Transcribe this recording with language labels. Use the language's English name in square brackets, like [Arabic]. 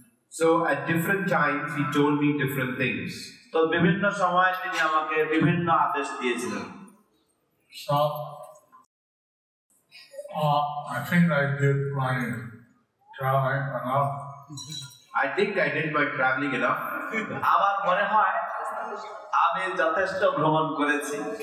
[English] So at different times he told me different things. [Bangla] তো বিভিন্ন সময় তিনি আমাকে বিভিন্ন আদেশ দিয়েছিলেন। [English] So I think I did my traveling enough. I think I did my traveling enough. [Bangla] আমার মনে হয় আমি যথেষ্ট ভ্রমণ করেছি।